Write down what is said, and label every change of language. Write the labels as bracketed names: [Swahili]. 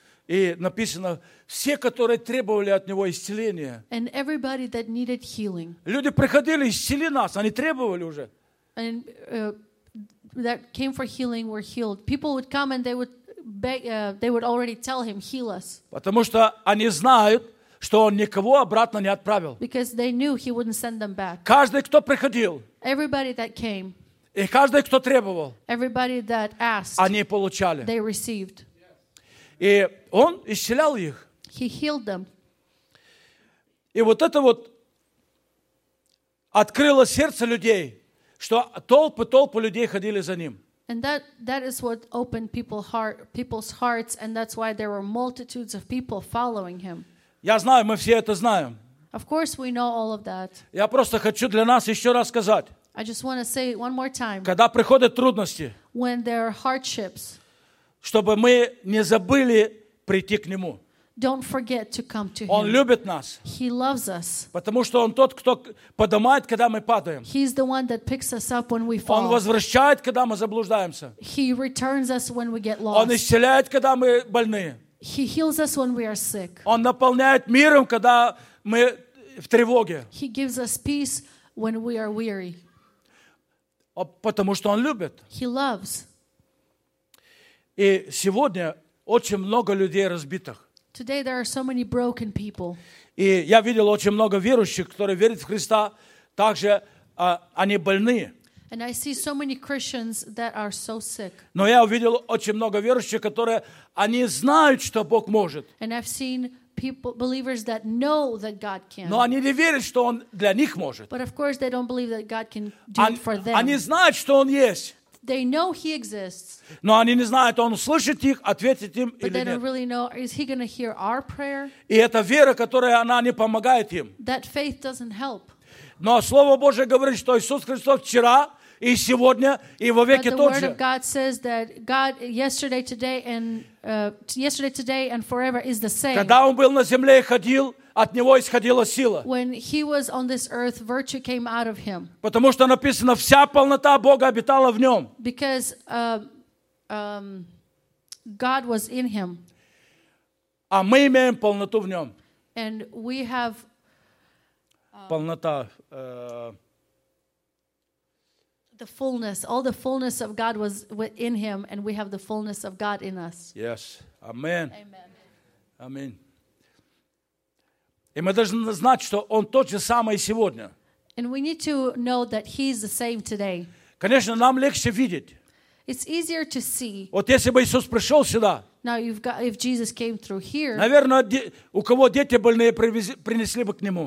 [Russian] И написано, все, которые требовали от него исцеления. [English] And everybody that needed healing. [Russian] Люди приходили, исцели нас, они требовали уже. [English] And that came for healing were healed. People would come and they would they would already tell him, heal us. [Russian] Потому что они знают, что он никого обратно не отправил. [English] Because they knew he wouldn't send them back. [Russian] Каждый, кто приходил. [English] Everybody that came. [Russian] И каждый, кто требовал. [English] Everybody that asked. [Russian] Они получали. [English] They received. [Russian] И он исцелял их. [English] He healed them. [Russian] И вот это вот открыло сердце людей, что толпы людей ходили за ним. [English] And that is what opened people's hearts, and that's why there were multitudes of people following him. [Russian] Я знаю, мы все это знаем. [English] Of course, we know all of that. [Russian] Я просто хочу для нас еще раз сказать. [English] I just want to say it one more time. [Russian] Когда приходят трудности. [English] When there are hardships. [Russian] Чтобы мы не забыли прийти к нему. [English] Don't forget to come to [Russian] он Он любит нас. [English] He loves us. [Russian] Потому что он тот, кто поднимает, когда мы падаем. [English] He's the one that picks us up when we fall. [Russian] Он возвращает, когда мы заблуждаемся. [English] He returns us when we get lost. [Russian] Он исцеляет, когда мы больны. [English] He heals us when we are sick. [Russian] Он наполняет миром, когда мы в тревоге. [English] He gives us peace when we are weary. [Russian] Потому что он любит. [English] He loves. [Russian] И сегодня очень много людей разбитых. [English] Today there are so many broken people. [Russian] И я видел очень много верующих, которые верят в Христа, также они больны. [English] And I see so many Christians that are so sick. [Russian] Но я увидел очень много верующих, которые они знают, что Бог может. [English] And I've seen people, believers that know that God can. [Russian] Но они не верят, что Он для них может. [English] But of course they don't believe that God can do it for them. [Russian] Они знают, что Он есть. [English] They know He exists. [Russian] Но они не знают, он услышит их, ответит им или нет. [English] But they don't really know, is He going to hear our prayer? [Russian] И эта вера, которая она не помогает им. [English] That faith doesn't help. [Russian] Но Слово Божие говорит, что Иисус Христос вчера и сегодня и во веки тот же. [English] But the Word of God says that God yesterday, today, and forever is the same. [Russian] Когда он был на земле и ходил, от него исходила сила. [English] When he was on this earth, virtue came out of him. [Russian] Потому что написано, вся полнота Бога обитала в нем. [English] Because God was in him. [Russian] А мы имеем полноту в нем. [English] And we have [Russian] полнота. [English] The fullness, all the fullness of God was in him, and we have the fullness of God in us. Yes. Amen. Amen. Amen. [Russian] И мы должны знать, что Он тот же самый сегодня. [English] And we need to know that He's the same today. [Russian] Конечно, нам легче видеть. [English] It's easier to see. [Russian] Вот если бы Иисус пришел сюда. [English] Now if Jesus came through here. [Russian] Наверное, у кого дети больные принесли бы к Нему.